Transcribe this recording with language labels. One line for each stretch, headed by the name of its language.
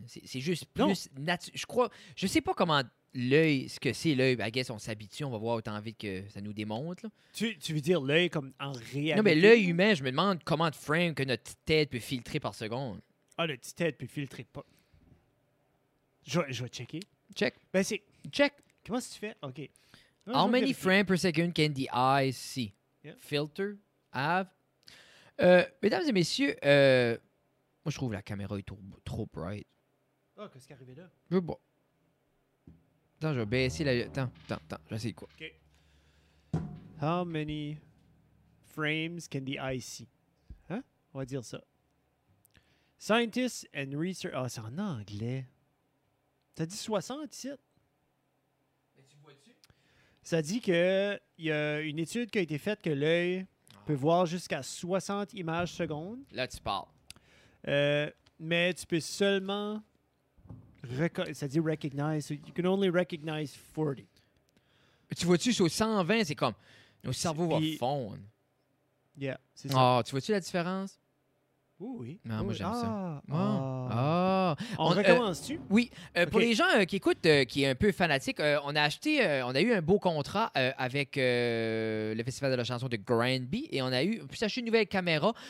French: C'est juste plus naturel. Je sais pas comment... L'œil, ce que c'est l'œil,
English: I guess,
French: on s'habitue, on va voir autant vite que ça nous démontre. Tu veux dire l'œil comme en réalité? Non, mais l'œil humain, je me demande comment de frame que notre tête peut filtrer par seconde. Ah, notre tête peut filtrer pas. Je vais checker. Check. Ben, c'est. Check. Comment est-ce que tu fais? OK.
English: How many frames per second can the eye see? Yep. Filter? Have?
French: Mesdames et messieurs, moi, je trouve la caméra est trop bright. Ah, oh, qu'est-ce qui est arrivé là? Je vois. Attends, je vais baisser la... Attends, je vais essayer quoi. OK.
English: How many frames can the eye see?
French: Hein? On va dire ça.
English: Scientists and research...
French: Ah, c'est en anglais. Ça dit 60, ici? Mais tu vois-tu? Ça dit qu'il y a une étude qui a été faite que l'œil peut voir jusqu'à 60 images secondes. Là, tu parles. Mais tu peux seulement... Ça dit recognize.
English: So you can only recognize 40.
French: Tu vois-tu, sur 120, c'est comme. Nos cerveaux vont fondre. Yeah, c'est ça. Oh, tu vois-tu la différence? Oui. Non, oui. Moi, j'aime ça. Ah. Oh. Oh. On recommence-tu? Oui. Pour les gens qui écoutent, qui est un peu fanatique, on a acheté, on a eu un beau contrat avec le Festival de la chanson de Granby et on a eu, puis acheté une nouvelle caméra.